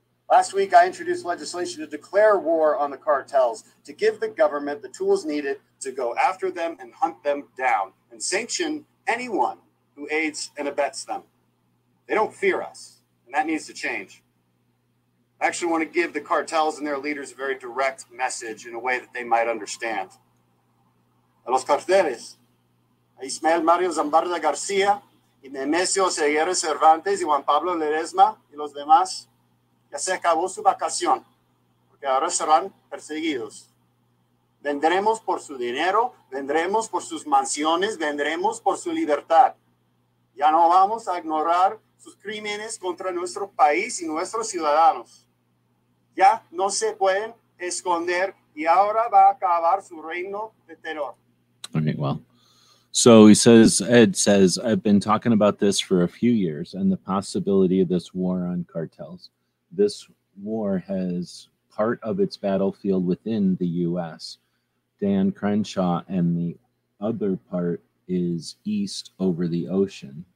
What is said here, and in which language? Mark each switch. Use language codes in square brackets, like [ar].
[en] Last week, I introduced legislation to declare war on the cartels, to give the government the tools needed to go after them and hunt them down and sanction anyone who aids and abets them. They don't fear us, and that needs to change. I actually want to give the cartels and their leaders a very direct message in a way that they might understand. [es] A los carteles, a Ismael Mario Zambarda García, y Nemesio Seguero Cervantes, y Juan Pablo Ledesma, y los demás, ya se acabó su vacación, porque ahora serán perseguidos. Vendremos por su dinero, vendremos por sus mansiones, vendremos por su libertad. Ya no vamos a ignorar sus crímenes contra nuestro país y nuestros ciudadanos. Ya no se pueden esconder y ahora va a acabar su reino de terror. [en] All right, well, so he says, Ed says, I've been talking about this for a few years and the possibility of this war on cartels. This war has part of its battlefield within the U.S. Dan Crenshaw, and the other part is east over the ocean.